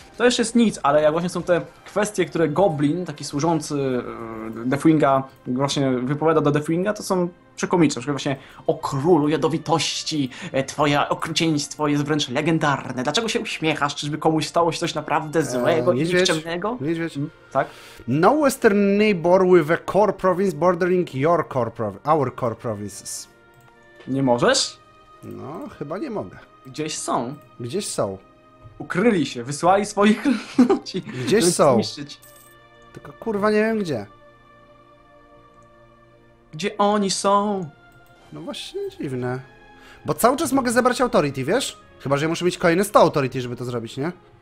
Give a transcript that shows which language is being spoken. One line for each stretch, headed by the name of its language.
Polish: To jeszcze jest nic, ale jak właśnie są te kwestie, które Goblin, taki służący Deathwinga, właśnie wypowiada do Deathwinga, to są przekomiczne. Na przykład właśnie, o królu jadowitości, twoje okrucieństwo jest wręcz legendarne. Dlaczego się uśmiechasz? Czyżby komuś stało się coś naprawdę złego i nikczemnego? Niedźwiedź. Tak?
English: No western neighbor with a core province bordering your core our core provinces.
Polish: Nie możesz? No, chyba nie mogę. Gdzieś są. Gdzieś są. Ukryli się, wysłali swoich ludzi. Gdzieś są. Zniszczyć. Tylko kurwa nie wiem gdzie. Gdzie oni są? No właśnie dziwne. Bo cały czas mogę zebrać authority, wiesz? Chyba, że ja muszę mieć kolejne 100 authority, żeby to zrobić, nie?